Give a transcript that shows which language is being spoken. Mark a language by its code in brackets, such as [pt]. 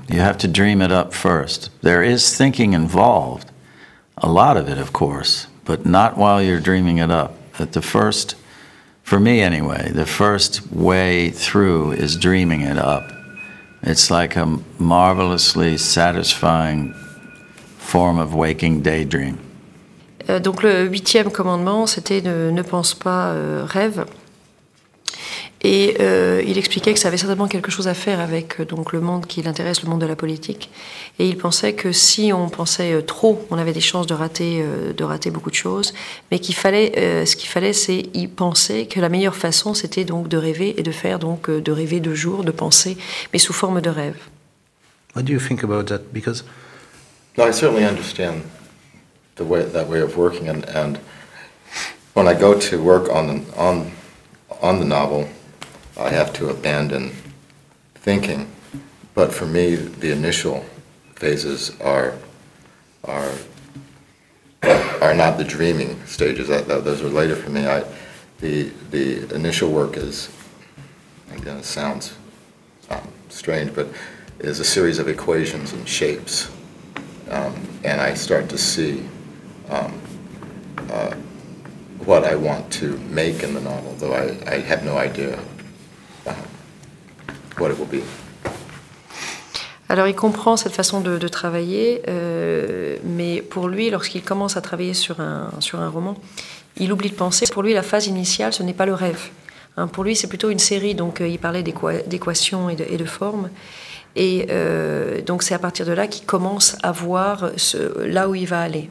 [en] You have to dream it up first. There is thinking involved, a lot of it, of course, but not while you're dreaming it up. That the first, for me anyway, the first way through is dreaming it up. It's like a marvelously satisfying form of waking daydream. [fr] Donc le huitième commandement, c'était ne pense pas rêve. Et il expliquait que ça avait certainement quelque chose à faire avec donc, le monde qui l'intéresse, le monde de la politique. Et il pensait que si on pensait trop, on avait des chances de rater beaucoup de choses. Mais qu'il fallait, ce qu'il fallait, c'est y penser que la meilleure façon, c'était donc de rêver et de faire, donc de rêver de jour, de penser, mais sous forme de rêve. [en] What do you think about that? Because no, I certainly understand the way that way of working, and when I go to work on the novel, I have to abandon thinking. But for me, the initial phases are not the dreaming stages. Those are later for me. The initial work is, again, it sounds strange, but is a series of equations and shapes. And I start to see what I want to make in the novel, though I have no idea what it will be. [fr] Alors, il comprend cette façon de travailler, mais pour lui, lorsqu'il commence à travailler sur un roman, il oublie de penser. Pour lui, la phase initiale, ce n'est pas le rêve. Hein, pour lui, c'est plutôt une série, donc il parlait d'équations et de formes. Et donc c'est à partir de là qu'il commence à voir là où il va aller.